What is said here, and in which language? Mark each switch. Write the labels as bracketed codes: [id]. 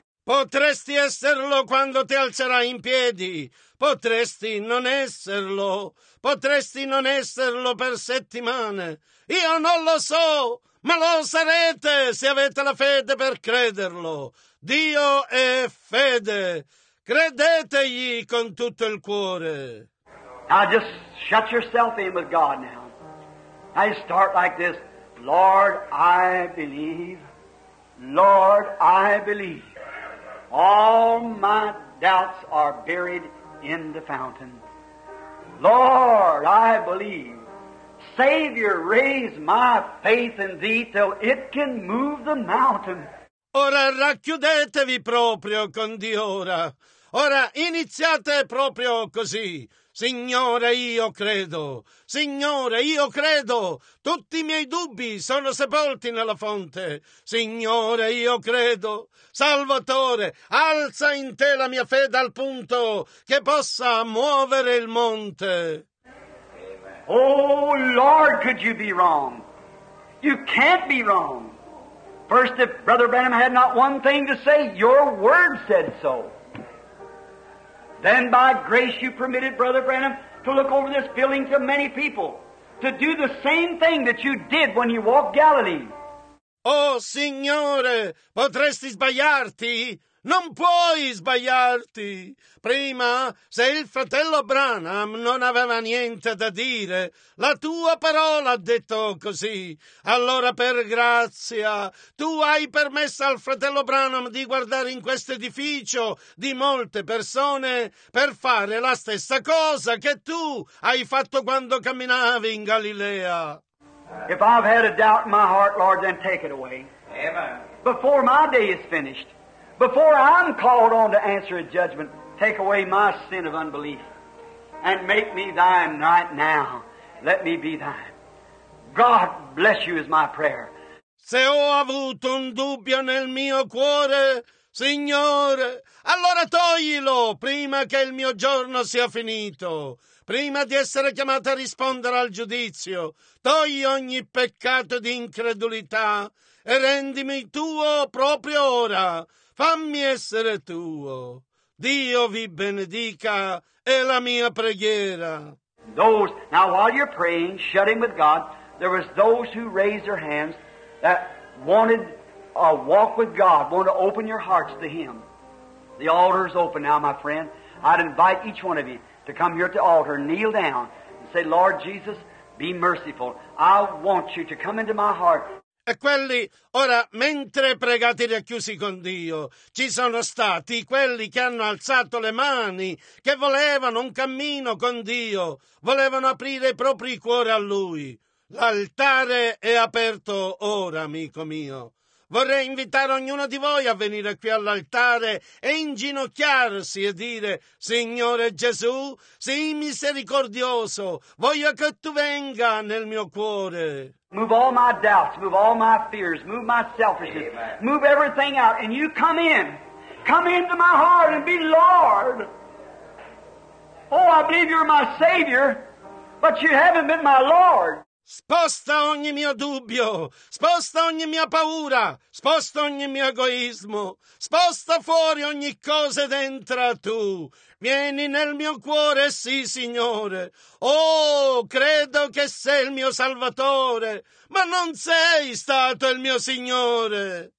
[it] Potresti esserlo quando ti alzerai in piedi. Potresti non esserlo. Potresti non esserlo per settimane. Io non lo so, ma lo sarete se avete la fede per crederlo. Dio è fede. Credetegli con tutto il cuore. [en] Now just shut yourself in with God now. I start like this. Lord, I believe. Lord, I believe. All my doubts are buried in the fountain. Lord, I believe. Savior, raise my faith in thee till it can move the mountain. [it] Ora racchiudetevi proprio con Dio ora. Ora iniziate proprio così. Signore, io credo. Signore, io credo. Tutti i miei dubbi sono sepolti nella fonte. Signore, io credo. Salvatore, alza in te la mia fede al punto che possa muovere il monte. [en] Oh, Lord, could you be wrong? You can't be wrong. First, if Brother Branham had not one thing to say, your word said so. Then by grace you permitted Brother Branham to look over this building to many people, to do the same thing that you did when you walked Galilee. [it] Oh, Signore, potresti sbagliarti? Non puoi sbagliarti. Prima, se il fratello Branham non aveva niente da dire, la tua parola ha detto così. Allora, per grazia, tu hai permesso al fratello Branham di guardare in questo edificio di molte persone per fare la stessa cosa che tu hai fatto quando camminavi in Galilea. [en] If I've had a doubt in my heart, Lord, then take it away. Amen. Before my day is finished. Before I'm called on to answer a judgment, Take away my sin of unbelief and make me thine right now. Let me be thine. God bless you is my prayer. [it] Se ho avuto un dubbio nel mio cuore, Signore, allora toglilo prima che il mio giorno sia finito, prima di essere chiamato a rispondere al giudizio. Togli ogni peccato di incredulità e rendimi tuo proprio ora. Fammi essere tuo. Dio vi benedica, è la mia preghiera. [en] Now, while you're praying, shut in with God, there was those who raised their hands that wanted a walk with God, wanted to open your hearts to Him. The altar is open now, my friend. I'd invite each one of you to come here at the altar, kneel down, and say, Lord Jesus, be merciful. I want you to come into my heart. [it] E quelli, ora, mentre pregate racchiusi con Dio, ci sono stati quelli che hanno alzato le mani, che volevano un cammino con Dio, volevano aprire i propri cuori a Lui. L'altare è aperto ora, amico mio. Vorrei invitare ognuno di voi a venire qui all'altare e inginocchiarsi e dire, Signore Gesù, sii misericordioso, voglio che tu venga nel mio cuore. [en] Move all my doubts, move all my fears, move my selfishness, move everything out, and you come in. Come into my heart and be Lord. Oh, I believe you're my Savior, but you haven't been my Lord. [it] Sposta ogni mio dubbio, sposta ogni mia paura, sposta ogni mio egoismo, sposta fuori ogni cosa ed entra tu. Vieni nel mio cuore, sì, Signore. Oh, credo che sei il mio Salvatore, ma non sei stato il mio Signore.